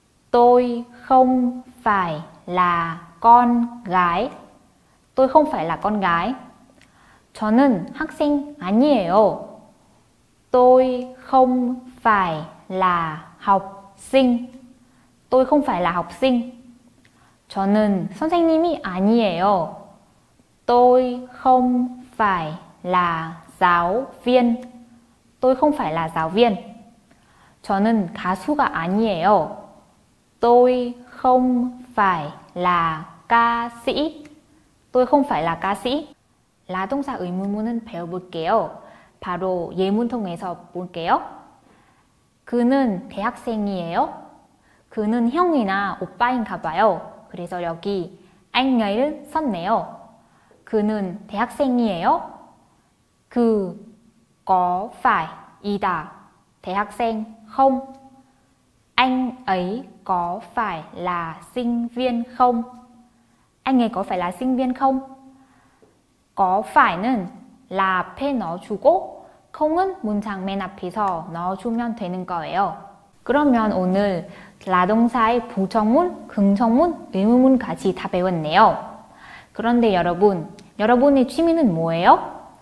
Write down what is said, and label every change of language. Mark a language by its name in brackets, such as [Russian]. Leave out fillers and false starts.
[Vietnamese] Tôi không phải là con gái. Tôi không phải là con gái. [Korean] 저는 학생 아니에요. [Vietnamese] Tôi không phải là học sinh. Tôi không phải là học sinh. [Korean] 저는 선생님이 아니에요. [Vietnamese] Tôi không phải là giáo viên. Tôi không phải là giáo viên. [Korean] 저는 가수가 아니에요. [Vietnamese] Tôi không phải là ca sĩ. Tôi không phải là ca sĩ. [Korean] 라동사 의문문은 배워볼게요. 바로 예문 통해서 볼게요. 그는 대학생이에요. 그는 형이나 오빠인가 봐요. 그래서 여기 anh을 썼네요. 그는 대학생이에요. 그, [Vietnamese] có phải, [Korean] 이다. 대학생, không. [Vietnamese] Anh ấy có phải là sinh viên không? Anh ấy có phải là sinh viên không? [Korean] Có phải는 là 앞에 넣어주고, không은 문장 맨 앞에서 넣어주면 되는 거예요. 그러면 오늘 라동사의 부정문, 긍정문, 의문문까지 다 배웠네요. 그런데 여러분, 여러분의 취미는 뭐예요?